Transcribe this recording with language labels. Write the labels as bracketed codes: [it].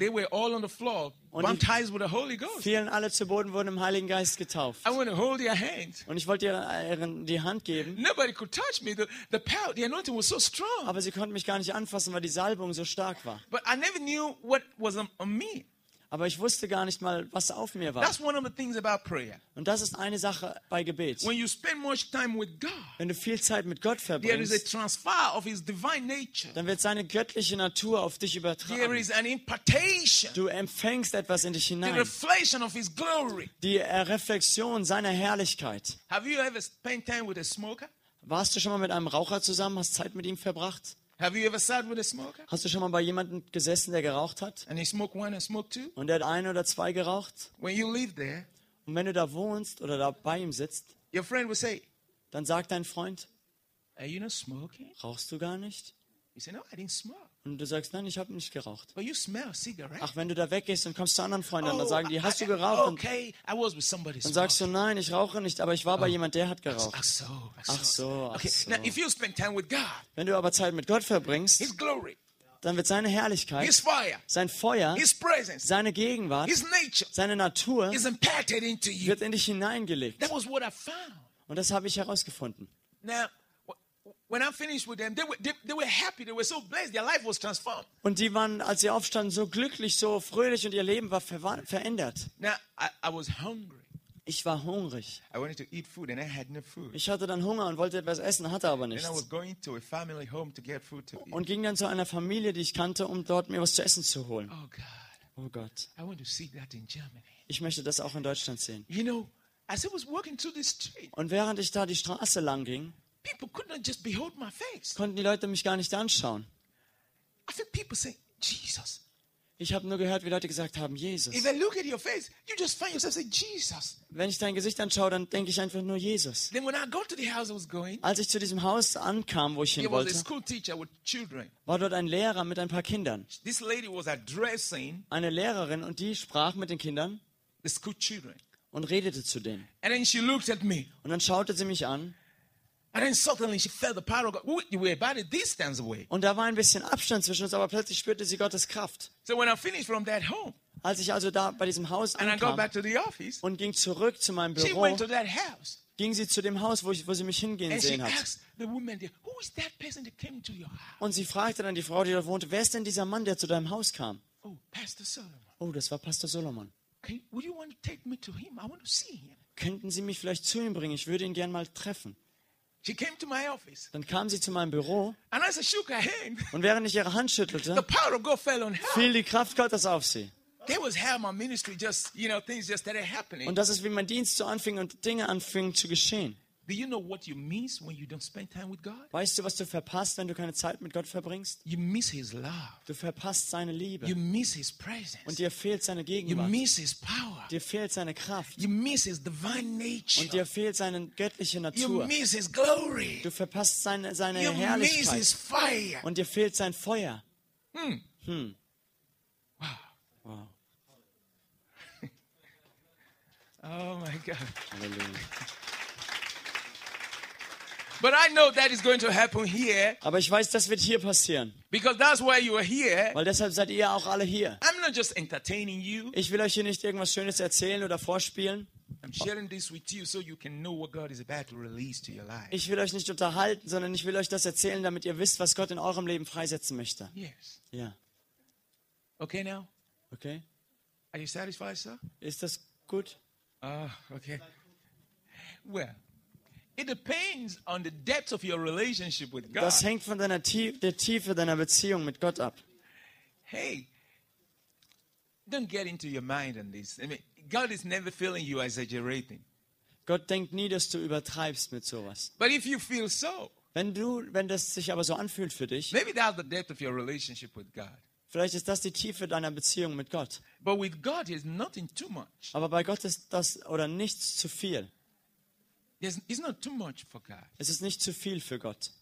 [en] They were all on the floor, [de] und [en] baptized with the Holy Ghost. [de] Fielen alle zu Boden, wurden im Heiligen Geist getauft. [en] I want to hold your hand. [de] Und ich wollte ihnen die Hand geben. [en] Nobody could touch me. The power, the anointing was so strong. [de] Aber sie konnten mich gar nicht anfassen, weil die Salbung so stark war. [en] But I never knew what was on me. [de] Aber ich wusste gar nicht mal, was auf mir war. [en] That's one of the things about prayer. [de] Und das ist eine Sache bei Gebet. [en] When you spend much time with God, [de] wenn du viel Zeit mit Gott verbringst, [en] there is a transfer of his divine nature. [de] Dann wird seine göttliche Natur auf dich übertragen. [en] There is an impartation. [de] Du empfängst etwas in dich hinein. [en] The reflection of his glory. [de] Die Reflexion seiner Herrlichkeit. [en] Have you ever spent time with a smoker? [de] Warst du schon mal mit einem Raucher zusammen, hast Zeit mit ihm verbracht? [en] Have you ever sat with a smoker? [de] Hast du schon mal bei jemandem gesessen, der geraucht hat? [en] And he smoked one and smoked two? [de] Und er hat 1 oder 2 geraucht? [en] When you live there, [de] und wenn du da wohnst oder da bei ihm sitzt, [en] your friend will say, [de] dann sagt dein Freund, [en] are you not smoking? [de] Rauchst du gar nicht? [en] You say, no, I didn't smoke. [de] Und du sagst, nein, ich habe nicht geraucht. [en] But you smell a cigarette. [de] Ach, wenn du da weggehst und kommst zu anderen Freunden, oh, dann sagen die, hast du geraucht? [en] Okay, I was with somebody smoking. [de] Dann sagst du, nein, ich rauche nicht, aber ich war bei jemand, der hat geraucht. Ach so. [en] Now, if you spend time with God, [de] wenn du aber Zeit mit Gott verbringst, [en] his glory, [de] dann wird seine Herrlichkeit, [en] his fire, [de] sein Feuer, [en] his presence, [de] seine Gegenwart, [en] his nature, [de] seine Natur, [en] is impacted into you. [de] Wird in dich hineingelegt. [en] That was what I found. [de] Und das habe ich herausgefunden. [en] Now, when I finished with them, they were happy. They were so blessed. Their life was transformed. [de] Und die waren, als sie aufstanden, so glücklich, so fröhlich, und ihr Leben war verändert. [en] Now, I was hungry. [de] Ich war hungrig. [en] I wanted to eat food, and I had no food. [de] Ich hatte dann Hunger und wollte etwas essen, hatte aber nichts. [en] Then I was going to a family home to get food to eat. [de] Und ging dann zu einer Familie, die ich kannte, um dort mir was zu essen zu holen. [en] Oh God. [de] Oh Gott. [en] I want to see that in Germany. [de] Ich möchte das auch in Deutschland sehen. [en] You know, as I was walking through the street. [de] Und während ich da die Straße lang ging. [en] People could not just behold my face. [de] Konnten die Leute mich gar nicht anschauen. [en] I think people say, Jesus. [de] Ich habe nur gehört, wie Leute gesagt haben, Jesus. [en] If I look at your face, you just find yourself saying, Jesus. [de] Wenn ich dein Gesicht anschaue, dann denke ich einfach nur Jesus. [en] Then when I got to the house I was going, [de] als ich zu diesem Haus ankam, wo ich hin wollte, [en] was a school teacher with children. [de] War dort ein Lehrer mit ein paar Kindern. [en] This lady was addressing [de] eine Lehrerin, und die sprach mit den Kindern. [en] The school children. [de] Und redete zu denen. [en] And then she looked at me. [de] Und dann schaute sie mich an. [en] And then suddenly she felt the power of God. We were about a distance away. [de] Und da war ein bisschen Abstand zwischen uns, aber plötzlich spürte sie Gottes Kraft. [en] So when I finished from that home, [de] als ich also da bei diesem Haus ankam, [en] and I got back to the office, [de] und ging zurück zu meinem Büro, [en] she went to that house, [de] ging sie zu dem Haus, wo sie mich hingehen sehen hat. [en] And she asked the woman there, who is that person that came to your house? [de] Und sie fragte dann die Frau, die dort wohnte, wer ist denn dieser Mann, der zu deinem Haus kam? [en] Oh, Pastor Solomon. [de] Oh, das war Pastor Solomon. [en] Would you want to take me to him? I want to see him. [de] Könnten Sie mich vielleicht zu ihm bringen? Ich würde ihn gern mal treffen. [en] She came to my office. [de] Dann kam sie zu meinem Büro. [en] And as I shook her hand, [de] und während ich ihre Hand schüttelte, [en] the power of God fell on her. [de] Fiel die Kraft Gottes auf sie. [en] That was how my ministry just, you know, things just started happening. [de] Und das ist, wie mein Dienst so anfing und Dinge anfingen zu geschehen. [en] Do you know what you miss when you don't spend time with God? [de] Weißt du, was du verpasst, wenn du keine Zeit mit Gott verbringst? [en] You miss his love. [de] Du verpasst seine Liebe. [en] You miss his presence. [de] Und dir fehlt seine Gegenwart. [en] You miss his power. [de] Dir fehlt seine Kraft. [en] You miss his divine nature. [de] Und dir fehlt seine göttliche Natur. [en] You miss his glory. [de] Du verpasst seine [en] you [de] Herrlichkeit. [en] Miss his fire. [de] Und dir fehlt sein Feuer. [en] Wow. Oh my God. [de] Halleluja. [en] But I know that is going to happen here. [de] Aber ich weiß, das wird hier passieren. [en] Because that's why you are here. [de] Weil deshalb seid ihr auch alle hier. [en] I'm not just entertaining you. [de] Ich will euch hier nicht irgendwas Schönes erzählen oder vorspielen. [en] I'm sharing this with you so you can know what God is about to release to your life. [de] Ich will euch nicht unterhalten, sondern ich will euch das erzählen, damit ihr wisst, was Gott in eurem Leben freisetzen möchte. [en] Yes. [de] Ja. [en] Okay now. Okay. Are you satisfied, sir? [de] Ist das gut? [en] Okay. Well, it depends on the depth of your relationship with God. [de] Das hängt von der Tiefe deiner Beziehung mit Gott ab. [en] Hey, don't get into your mind on this. I mean, God is never feeling you exaggerating. [de] Gott denkt nie, dass du übertreibst mit sowas. [en] But if you feel so, [de] wenn das sich aber so anfühlt für dich, [en] maybe that's the depth of your relationship with God. [de] Vielleicht ist das die Tiefe deiner Beziehung mit Gott. [en] But with God is nothing too much. [de] Aber bei Gott ist das oder nichts zu viel. [en] It's not too much for God. [de] Es ist nicht zu viel für Gott.